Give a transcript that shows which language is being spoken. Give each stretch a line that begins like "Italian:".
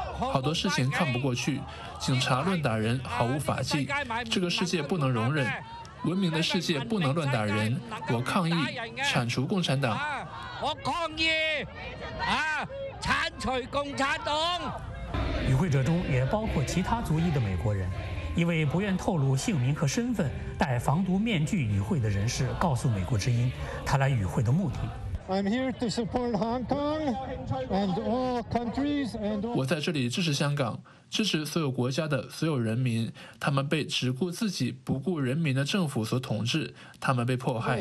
Chinese: 好多事情看不过去，警察乱打人毫无法纪，这个世界不能容忍，文明的世界不能乱打人，我抗议铲除共产党。我抗议啊，铲除共产党。与会者中也包括其他族裔的美国人。一位不愿透露姓名和身份、戴防毒面具与会的人士告诉《美国之音》，他来与会的目的。
English: I'm here to support Hong Kong and all countries and.
Chinese: 我在这里支持香港，支持所有国家的所有人民。他们被只顾自己不顾人民的政府所统治，他们被迫害。